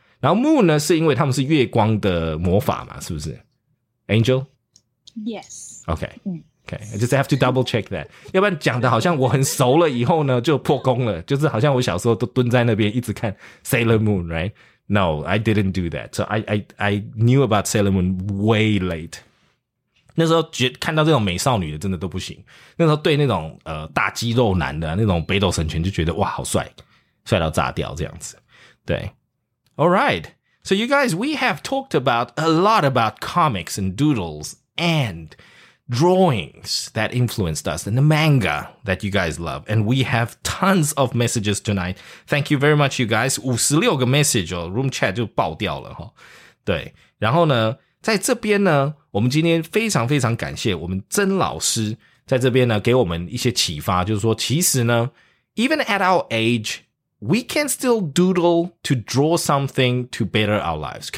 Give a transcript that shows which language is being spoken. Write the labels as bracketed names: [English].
[Chinese] 然后 Moon 呢，是因为他们是月光的魔法嘛，是不是 ？Angel, [English] yes, okay, okay, I just have to double check that, [Chinese] 要不然讲的好像我很熟了以后呢就破功了，就是好像我小时候都蹲在那边一直看 Sailor Moon, right? [English] No, I didn't do that. So I knew about Sailor Moon way late. [Chinese] 那时候看到这种美少女的真的都不行。那时候对那种大肌肉男的那种北斗神拳就觉得哇好帅。帅到炸掉这样子。对。 [English] Alright. So you guys, we have talked about a lot about comics and doodles and drawings that influenced us and the manga that you guys love. And we have tons of messages tonight. Thank you very much, you guys. [Chinese] 56个 message 哦 ,room chat 就爆掉了齁、哦。对。然后呢在这边呢我们今天非常非常感谢我们曾老师在这边呢给我们一些启发，就是说其实呢 , [English] even at our age, we can still doodle to draw something to better our lives.